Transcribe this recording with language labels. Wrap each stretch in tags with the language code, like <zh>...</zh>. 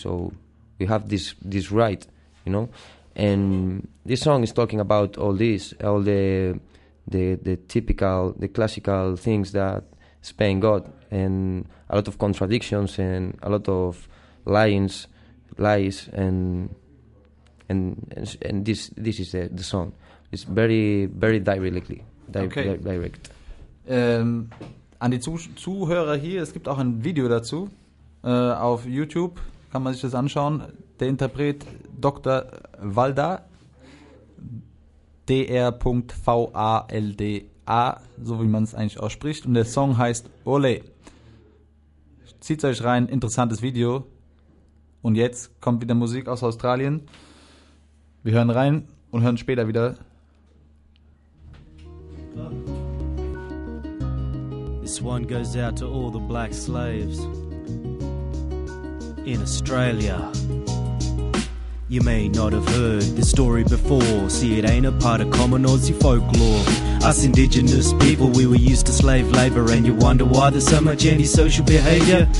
<en>So we have this right, you know. And this song is talking about all this, all the typical, the classical things that Spain got, and a lot of contradictions and a lot of lies, and this is the song. It's very, very directly, direct.</en> <de>An die Zuhörer hier, es gibt auch ein Video dazu. Auf YouTube kann man sich das anschauen. Der Interpret Dr. Valda, Dr.Valda, so wie man es eigentlich ausspricht. Und der Song heißt Ole. Zieht euch rein, interessantes Video. Und jetzt kommt wieder Musik aus Australien. Wir hören rein und hören später wieder.</de> <en>This one goes out to all the black slaves in Australia. You may not have heard this story before. See, it ain't a part of common Aussie folklore. Us indigenous people, we were used to slave labor. And you wonder why there's so much antisocial behavior.</en>